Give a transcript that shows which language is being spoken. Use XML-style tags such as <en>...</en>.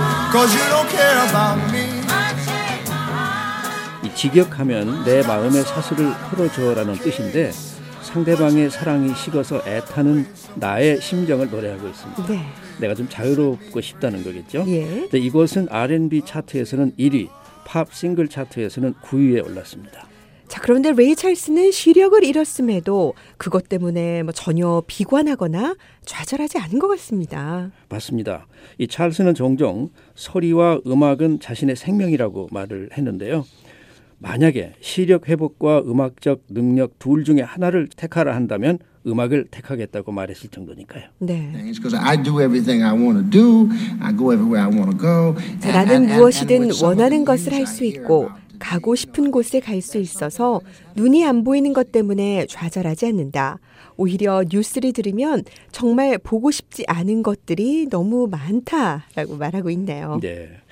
<en>cause you don't care about me.</en> <ko>이 직역하면 내 마음의 사슬을 풀어줘라는 뜻인데 상대방의 사랑이 식어서 애타는 나의 심정을 노래하고 있습니다. 네. 내가 좀 자유롭고 싶다는 거겠죠? 예. 네, 이곳은 R&B 차트에서는 1위, 팝 싱글 차트에서는 9위에 올랐습니다. 자, 그런데 레이 찰스는 시력을 잃었음에도 그것 때문에 뭐 전혀 비관하거나 좌절하지 않은 것 같습니다. 맞습니다. 이 찰스는 종종 소리와 음악은 자신의 생명이라고 말을 했는데요. 만약에 시력 회복과 음악적 능력 둘 중에 하나를 택하라 한다면 음악을 택하겠다고 말했을 정도니까요. 네.</ko> <en>It's because I do everything I want to do. I go everywhere I want to go.</en> <ko>나는 무엇이든 원하는 것을 할 수 있고 가고 싶은 곳에 갈 수 있어서 눈이 안 보이는 것 때문에 좌절하지 않는다. 오히려 뉴스를 들으면 정말 보고 싶지 않은 것들이 너무 많다라고 말하고 있네요. 네.</ko>